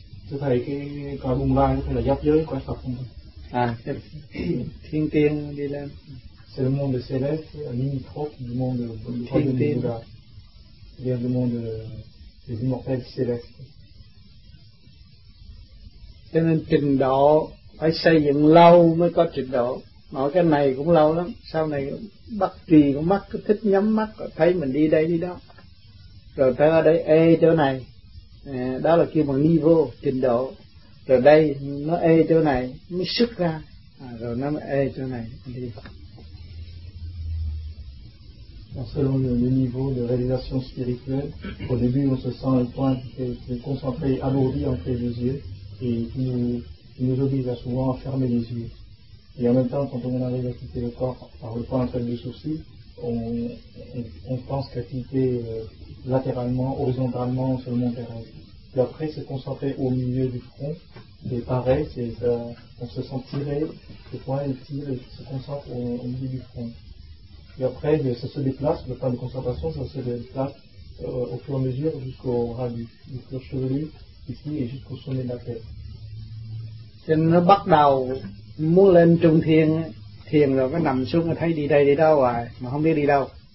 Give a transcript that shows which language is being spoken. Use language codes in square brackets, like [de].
[vi] Thưa thầy, cái cõi Bồng Lai có thể là giáp giới của Phật không? Thiên tiên đi lên. [fr] C'est le monde céleste, limitrophe du monde Bouddha. Vient du monde des immortels célestes. [vi] Cho nên trình độ phải xây dựng lâu mới có trình độ. Mọi cái này cũng lâu lắm. Sau này bắt trì con mắt, cứ thích nhắm mắt, thấy mình đi đây đi đó. Rồi tới ở đây, ê chỗ này. Đó là kêu bằng niveau, trình độ. Rồi đây, nó ê chỗ này, mới xuất ra. Rồi nó mới ê chỗ này. Đi. [fr] Selon le niveau de réalisation spirituelle, au début on se sent un point qui est concentré, alourdi entre les yeux. Et qui nous oblige à souvent à fermer les yeux. Et en même temps, quand on arrive à quitter le corps par le point entre les deux sourcils, on pense qu'à quitter latéralement, horizontalement sur le monde terrestre. Puis après, c'est concentré au milieu du front, et pareil, on se sent tiré, le point il tire et se concentre au milieu du front. Et après, ça se déplace, le point de concentration, ça se déplace au fur et à mesure jusqu'au ras du cuir chevelu ici et jusqu'au sommet de la tête. [vi] Thì nó bắt đầu muốn lên trung thiên, thiền rồi nó nằm xuống nó thấy đi đây đi đâu rồi mà không biết đi đâu.